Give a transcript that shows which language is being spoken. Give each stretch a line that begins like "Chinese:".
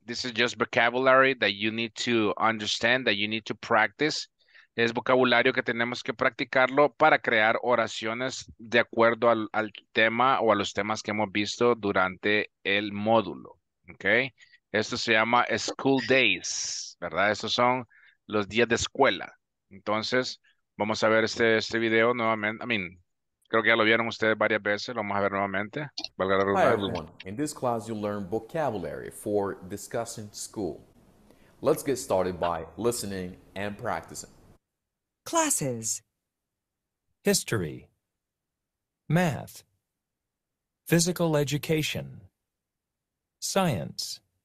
English: This is just vocabulary that you need to understand, that you need to practice.
Spanish: Es vocabulario que tenemos que practicarlo para crear oraciones de acuerdo al tema o a los temas que hemos visto durante el módulo, okay? Esto se llama
English: school days,
Spanish: ¿verdad? Estos son los días de escuela. Entonces, vamos a ver este video nuevamente.
English: I mean,
Spanish: creo que ya lo vieron ustedes varias veces. Lo vamos a ver nuevamente. Valga la redundancia.
English: Hi, everyone. In this class, you learn vocabulary for discussing school. Let's get started by listening and practicing. Classes. History. Math. Physical education. Science.